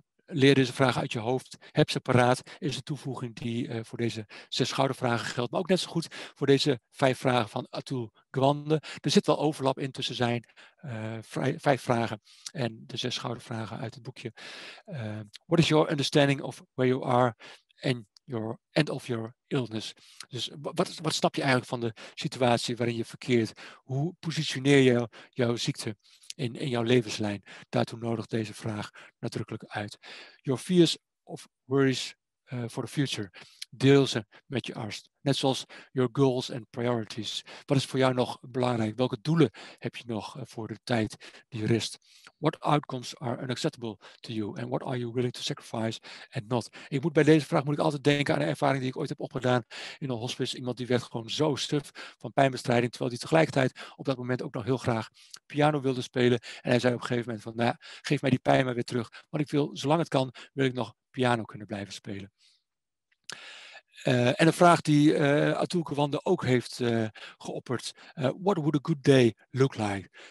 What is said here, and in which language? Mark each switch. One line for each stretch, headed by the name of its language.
Dutch: Leer deze vragen uit je hoofd. Heb ze paraat, is de toevoeging die voor deze 6 schoudervragen geldt. Maar ook net zo goed voor deze 5 vragen van Atul Gawande. Er zit wel overlap in tussen zijn 5 vragen en de 6 schoudervragen uit het boekje.
English: What is your understanding of where you are and your end of your illness?
Dutch: Dus wat snap je eigenlijk van de situatie waarin je verkeert? Hoe positioneer je jouw ziekte in jouw levenslijn? Daartoe nodig deze vraag nadrukkelijk uit.
English: Your fears of worries for the future.
Dutch: Deel ze met je arts. Net zoals
English: your goals and priorities.
Dutch: Wat is voor jou nog belangrijk? Welke doelen heb je nog voor de tijd die rest?
English: What outcomes are unacceptable to you? And what are you willing to sacrifice and not?
Dutch: Ik moet bij deze vraag moet ik altijd denken aan een ervaring die ik ooit heb opgedaan in een hospice. Iemand die werd gewoon zo suf van pijnbestrijding, terwijl die tegelijkertijd op dat moment ook nog heel graag piano wilde spelen. En hij zei op een gegeven moment van, nou ja, geef mij die pijn maar weer terug. Want ik wil, zolang het kan, wil ik nog piano kunnen blijven spelen. En een vraag die Atul Gawande ook heeft geopperd.
English: What would a good day look like?